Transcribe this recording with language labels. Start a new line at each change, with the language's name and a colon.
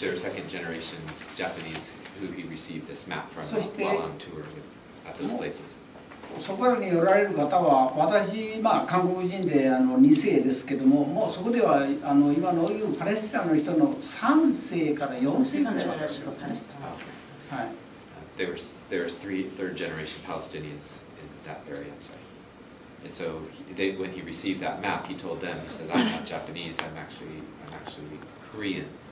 English: They're second generation Japanese who he received this map from while on tour at those places.
Japanese: そこらにおられる方は私まあ韓国人であの二世ですけどももうそこではあの今のいうパレスチナの人の三世から四世ぐらいの人パレスチナ。はい。
English: There are third generation Palestinians in that area. And so when he received that map, he told them, he said, I'm not Japanese, I'm actually Korean.